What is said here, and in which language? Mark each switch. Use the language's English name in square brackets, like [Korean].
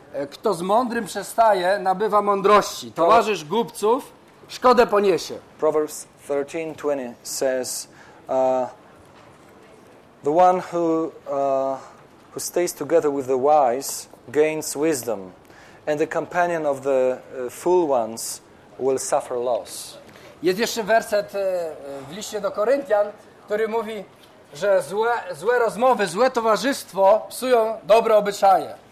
[Polish] Kto z mądrym przestaje, nabywa mądrości. Towarzysz głupców szkodę poniesie. [English] Proverbs 13:20 says the one who stays together with the wise gains wisdom, and the companion of the fool ones will suffer loss. [Polish] Jest jeszcze werset w liście do Koryntian, który mówi, że złe rozmowy, złe towarzystwo psują dobre obyczaje.